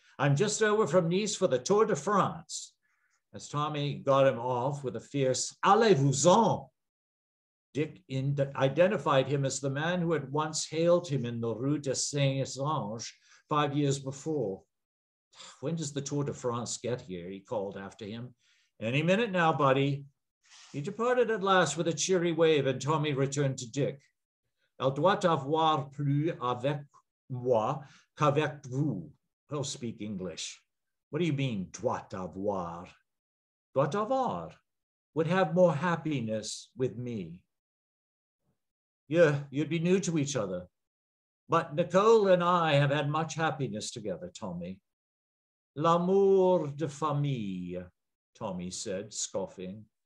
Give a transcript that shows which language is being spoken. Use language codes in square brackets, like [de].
[en] I'm just over from Nice for the Tour de France. As Tommy got him off with a fierce, allez-vous-en, Dick identified him as the man who had once hailed him in the Rue de Saint-Ange 5 years before. When does the Tour de France get here? He called after him. Any minute now, buddy. He departed at last with a cheery wave, and Tommy returned to Dick. [fr] Elle doit avoir plus avec moi qu'avec vous. [en] He'll speak English. What do you mean, doit avoir? Doit avoir would have more happiness with me. Yeah, you'd be new to each other. But Nicole and I have had much happiness together, Tommy. [fr] L'amour de famille, [en] Tommy said, scoffing.